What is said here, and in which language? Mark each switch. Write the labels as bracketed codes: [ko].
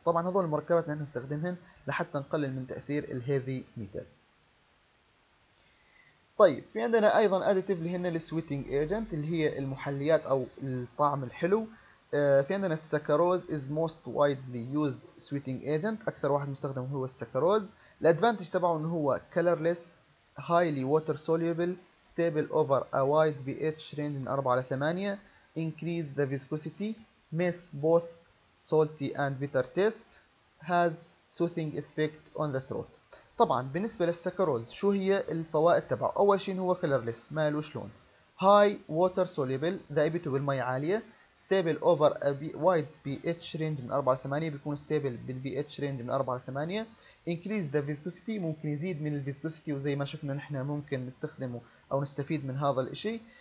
[ar] طبعا هذول المركبات نحن نستخدمهن لحتى نقلل من تأثير الهيفي ميتال. طيب في عندنا أيضا أديتيف اللي هن السويتينج إيجنت اللي هي المحليات أو الطعم الحلو. في عندنا السكروز [en] is most widely used sweetening agent، [ar] أكثر واحد مستخدم هو السكروز. الأدفانتج تبعه أنه هو [en] colorless highly water soluble stable over a wide pH range [ar] من 4-8 [en] increase the viscosity mask both salty and bitter taste has soothing effect on the throat. [ar] طبعا بالنسبة للسكروز شو هي الفوائد تبعه؟ أول شيء هو colorless ما له شلون، [en] high water soluble [ar] ذائبته بالمي عالية، [en] stable over a wide pH range [ar] من 4-8 بيكون stable بال pH range من 4-8 [en] increase the viscosity [ar] ممكن يزيد من ال viscosity، وزي ما شفنا نحن ممكن نستخدمه أو نستفيد من هذا الاشي.